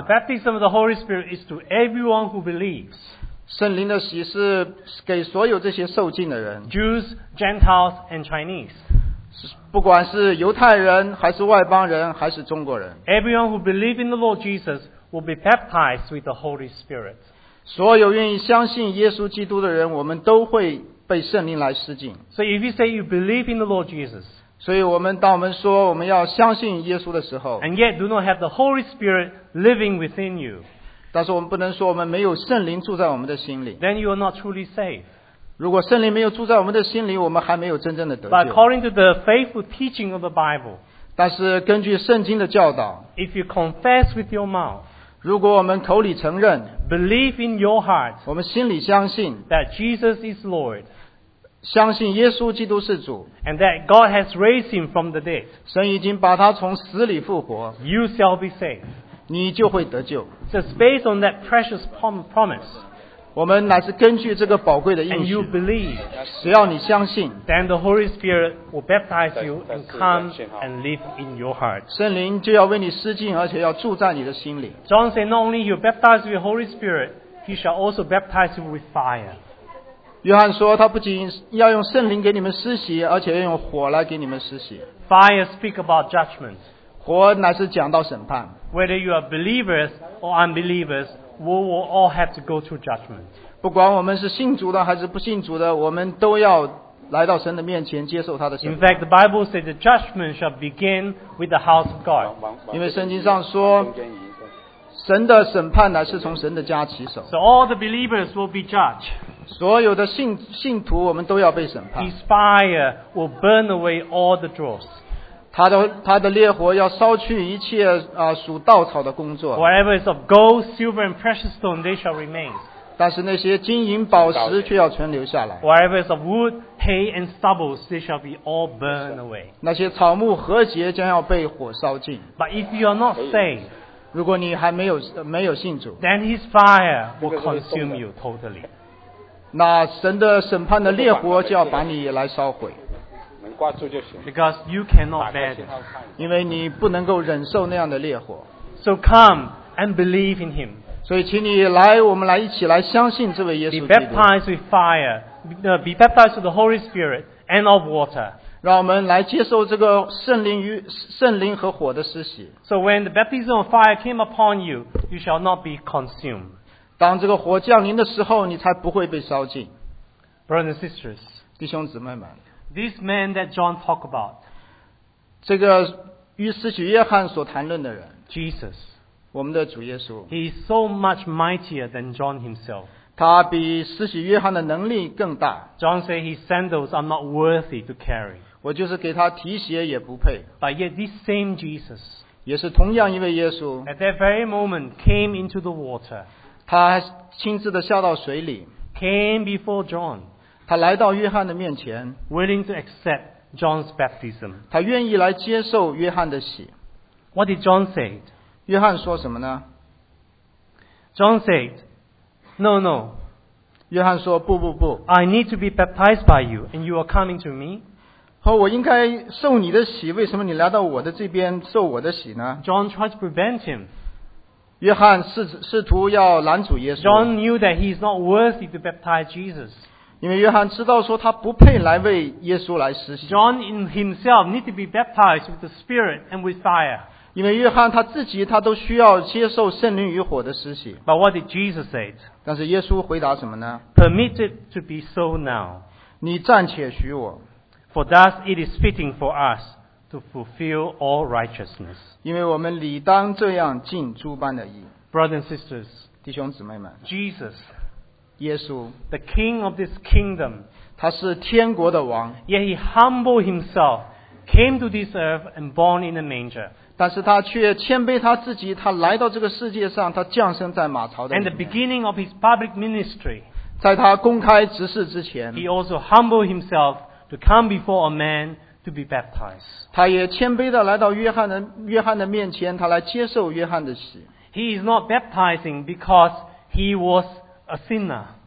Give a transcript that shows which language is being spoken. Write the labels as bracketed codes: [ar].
[en] The baptism of the Holy Spirit is to everyone who believes. [zh] 圣灵的洗是给所有这些受浸的人。 [en] Jews, Gentiles, and Chinese. [zh] 不管是犹太人，还是外邦人，还是中国人。 [en] Everyone who believes in the Lord Jesus will be baptized with the Holy Spirit. [zh] 所有愿意相信耶稣基督的人，我们都会被圣灵来施浸。 [en] So if you say you believe in the Lord Jesus. [zh] 所以我们当我们说我们要相信耶稣的时候 [en] And yet do not have the Holy Spirit living within you. [zh] 但是我们不能说我们没有圣灵住在我们的心里 [en] Then you are not truly saved. [zh] 如果圣灵没有住在我们的心里我们还没有真正的得救 [en] But according to the faithful teaching of the Bible. [zh] 但是根据圣经的教导 [en] If you confess with your mouth. [zh] 如果我们口里承认 [en] Believe in your heart. [zh] 我们心里相信 [en] That Jesus is Lord. [zh] 相信耶稣基督是主 [en] and that God has raised him from the dead [zh] 神已经把他从死里复活 [en] you shall be saved [zh] 你就会得救 [en] just based on that precious promise [zh] 我们乃是根据这个宝贵的应许 [en] and you believe [zh] 只要你相信 [en] then the Holy Spirit will baptize you and come and live in your heart [zh] 圣灵就要为你施浸而且要住在你的心里 [en] John said not only you baptize with the Holy Spirit he shall also baptize you with fire [zh] 约翰说他不仅要用圣灵给你们施洗而且要用火来给你们施洗 [en] Fire speak about judgment [zh] 火乃是讲到审判 [en] Whether you are believers or unbelievers we will all have to go through judgment [zh] 不管我们是信主的还是不信主的我们都要来到神的面前接受他的审判 [en] In fact the Bible says the judgment shall begin with the house of God [zh] 因为圣经上说神的审判乃是从神的家起手 [en] So all the believers will be judged [zh] 所有的 信徒我们都要被审判 [en] His fire will burn away all the dross [zh] 他的烈火要烧去一切、属稻草的工作 [en] Whatever is of gold, silver and precious stone they shall remain [zh] 但是那些金银宝石却要存留下来 [en] Whatever is of wood, hay and stubble they shall be all burned away [zh] 那些草木禾秸将要被火烧尽 [en] But if you are not saved [zh] 如果你还没有信主 [en] Then his fire will consume you totally [zh] 那神的审判的烈火就要把你来烧毁 [en] Because you cannot bear it [zh] 因为你不能够忍受那样的烈火 [en] So come and believe in him [zh] 所以请你来我们来一起来相信这位耶稣基督 [en] Be baptized with fire Be baptized with the Holy Spirit and of water [zh] 让我们来接受这个圣灵和火的施洗 [en] So when the baptism of fire came upon you you shall not be consumed [zh] 当这个火降临的时候你才不会被烧尽 [en] Brothers and sisters [zh] 弟兄姊妹们 [en] This man that John talked about [zh] 这个与施洗约翰所谈论的人 [en] Jesus [zh] 我们的主耶稣 [en] He is so much mightier than John himself [zh] 他比施洗约翰的能力更大 [en] John said his sandals are not worthy to carry [zh] 我就是给他提鞋也不配 [en] But yet this same Jesus [zh] 也是同样一位耶稣 [en] At that very moment came into the water [zh] 他亲自的下到水里 [en] came before John [zh] 他来到约翰的面前 [en] willing to accept John's baptism [zh] 他愿意来接受约翰的洗 [en] What did John say? [zh] 约翰说什么呢 [en] John said, no, no. [zh] 约翰说不不不。 [en] I need to be baptized by you, and you are coming to me. [zh] 好，我应该受你的洗，为什么你来到我的这边受我的洗呢？ [en] John tried to prevent him. [zh] 约翰试图要拦阻耶稣。 [en] John knew that he is not worthy to baptize Jesus. [zh] 因为约翰知道说他不配来为耶稣来施洗。 [en] John himself need to be baptized with the Spirit and with fire. [zh] 因为约翰他自己他都需要接受圣灵与火的施洗。 [en] But what did Jesus say? [zh] 但是耶稣回答什么呢？ [en] Permit it to be so now. [zh] 你暂且许我。 [en] For thus it is fitting for us to fulfill all righteousness. [zh] 因为我们理当这样尽诸般的义。 [en] Brothers and sisters, [zh] 弟兄姊妹们。 [en] Jesus, [zh] 耶稣。 [en] The King of this kingdom. [zh] 他是天国的王。 [en] Yet he humbled himself, came to this earth and born in a manger. [zh] 但是他却谦卑他自己，他来到这个世界上，他降生在马槽的里面。 [en] And the beginning of his public ministry, [zh] 在他公开执事之前， [en] he also humbled himself to come before a man to be baptized. [zh] 他也谦卑地来到约翰的面前，他来接受约翰的洗。 [en] He is not baptizing because he was a sinner.